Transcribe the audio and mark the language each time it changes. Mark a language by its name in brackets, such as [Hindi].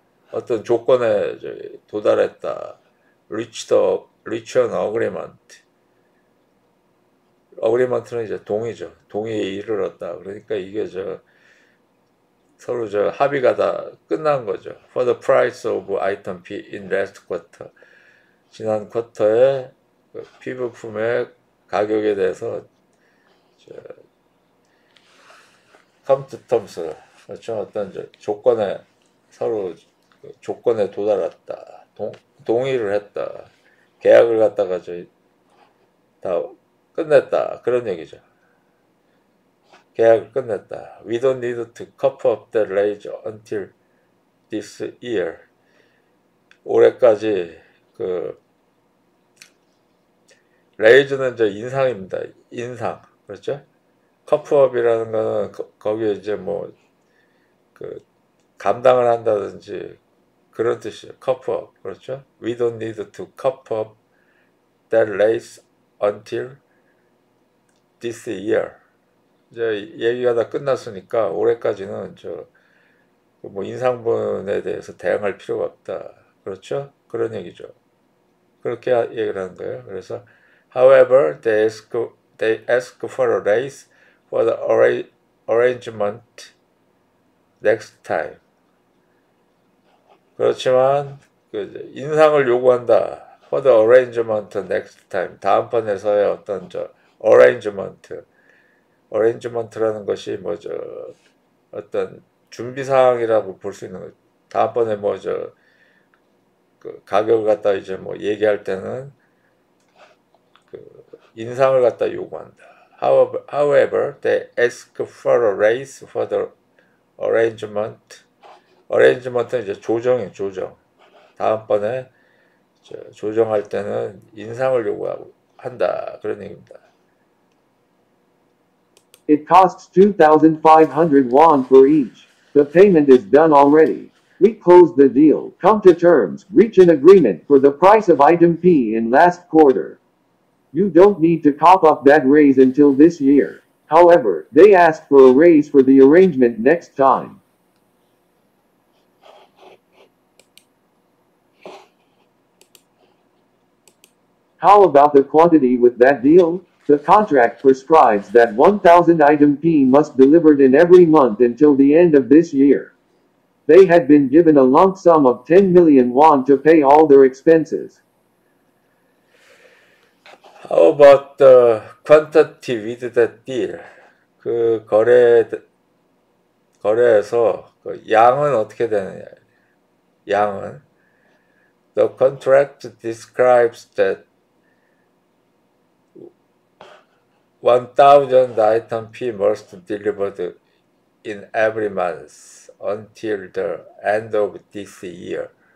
[Korean] 어떤 조건에 저기 도달했다. [English] Reach an agreement. [Korean] Agreement는 이제 동의죠. 동의에 이르렀다. 그러니까 이게 서로 합의가 다 끝난 거죠. [English] For the price of item P in last quarter. [Korean] 지난 쿼터에 P 부품의 가격에 대해서 [English] come to terms. [Korean] 그렇죠? 어떤 조건에 서로 그 조건에 도달했다. 동의를 했다. 계약을 갖다가 저희 다 끝냈다. 그런 얘기죠. 계약을 끝냈다. [English] We don't need to cough up the razor until this year. [Korean] 올해까지 그 레이즈는 이제 인상입니다. 인상. 그렇죠? 커프업이라는 거는 거기에 이제 뭐 그 감당을 한다든지 그런 뜻이에요. 커프업. 그렇죠? [English] We don't need to cough up that race until this year. [Korean] 이제 얘기가 다 끝났으니까 올해까지는 저 뭐 인상분에 대해서 대응할 필요가 없다. 그렇죠? 그런 얘기죠. 그렇게 얘기를 하는 거예요. 그래서 [English] However, they ask for a raise for the arrangement next time. [Korean] 그렇지만 그 인상을 요구한다. [English] For the arrangement next time. [Korean] 다음번에서의 어떤 저 [English] arrangement. [Korean] arrangement라는 것이 뭐 저 어떤 준비 사항이라고 볼 수 있는 거. 다음번에 뭐 저 그 가격을 갖다 이제 뭐 얘기할 때는 인상을 갖다 요구한다. [English] However, they ask for a raise for the arrangement. [Korean] arrangement은 이제 조정이 조정. 다음번에 조정할 때는 인상을 요구하고 한다. 그런 얘기입니다. [English] It costs 2,500 won for each. The payment is done already. We close the deal. Come to terms. Reach an agreement for the price of item P in last quarter. You don't need to cough up that raise until this year. However, they asked for a raise for the arrangement next time. How about the quantity with that deal? The contract prescribes that 1,000 item P must delivered in every month until the end of this year. They had been given a lump sum of 10 million won to pay all their expenses. How about the quantity with that deal? [Korean] 그 거래에서 그 양은 어떻게 되느냐? 양은 [English] The contract describes that 1,000 item P must delivered in every month until the end of this year.